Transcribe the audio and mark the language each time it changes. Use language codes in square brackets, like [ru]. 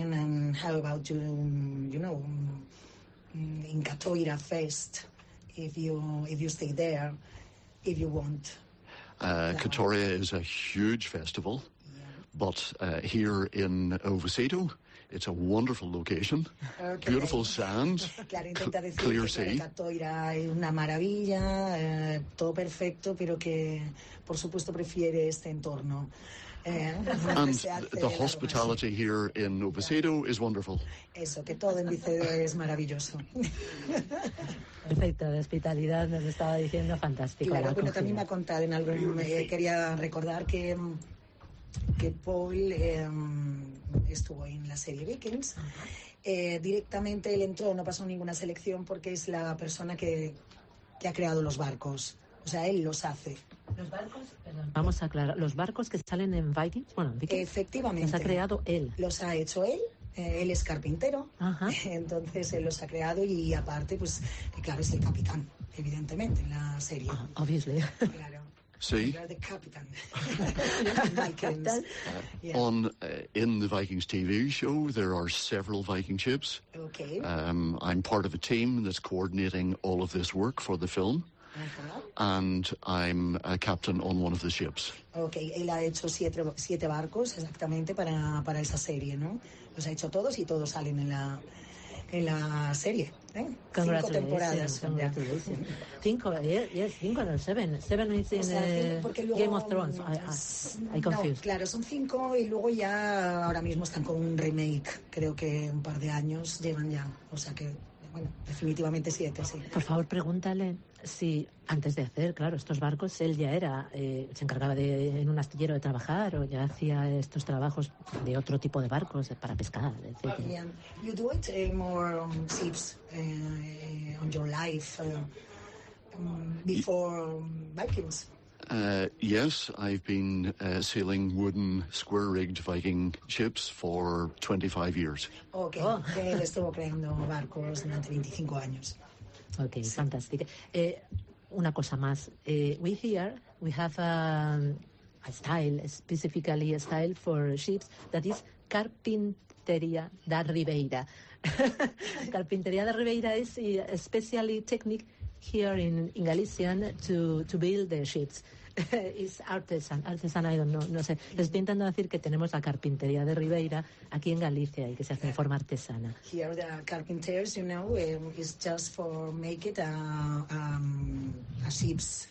[en] And how about you, you know, in Catoira Fest, if you stay there, if you want? Catoira is a huge festival, yeah. But here in Oviedo, it's a wonderful location. Okay. Beautiful sand, clear sea. [es] Catoira es una maravilla, todo perfecto, pero que por supuesto prefiere este entorno. [en] And the hospitality here in Oviedo is wonderful. [es] Eso, que todo en Oviedo es maravilloso. Perfecto, de hospitalidad nos estaba diciendo fantástico. Claro, bueno, también me ha contado en algo, me quería recordar que Paul estuvo en la serie Vikings. Directamente él entró, no pasó ninguna selección porque es la persona que ha creado los barcos. O sea, él los hace. Los barcos, perdón, vamos a aclarar, los barcos que salen en Vikings, bueno, en Vikings. Efectivamente. Los ha creado él. Los ha hecho él. Él es carpintero, ajá. Entonces él los ha creado y aparte, pues, claro, es el capitán, evidentemente, en la serie. [en] Obviously. [es] Claro. Sí. [en] The captain. Vikings. Yeah. On in the Vikings TV show, there are several Viking ships. Okay. I'm part of a team that's coordinating all of this work for the film. Uh-huh. And I'm a captain on one of the ships. [es] Okay, él ha hecho siete barcos exactamente para esa serie, ¿no? Los ha hecho todos y todos salen en la serie, ¿eh? Cinco temporadas. [en] Seven is in Game of Thrones. I'm confused. [es] No, claro, son cinco y luego ya ahora mismo están con un remake. Creo que un par de años llevan ya. O sea que, bueno, definitivamente siete, sí. Por favor, pregúntale. Sí, antes de hacer, claro, estos barcos, él ya era, se encargaba de en un astillero de trabajar o ya hacía estos trabajos de otro tipo de barcos para pescar, etc. [en] You do it more on ships on your life before Vikings? Yes, I've been sailing wooden square-rigged Viking ships for 25 years. [es] Okay, oh. Él estuvo creando barcos durante 25 años. [en] Okay, sí. Fantastic. Una cosa más. We have a style, specifically a style for ships that is Carpinteria da Ribeira. Carpinteria da Ribeira is a special technique here in Galicia to build the ships. It's artisan, I don't know, no sé. [es] Les estoy intentando decir que tenemos la carpintería de Ribeira aquí en Galicia y que se hace de forma artesana. [en] Here the carpenters, you know, is just for make it a ships.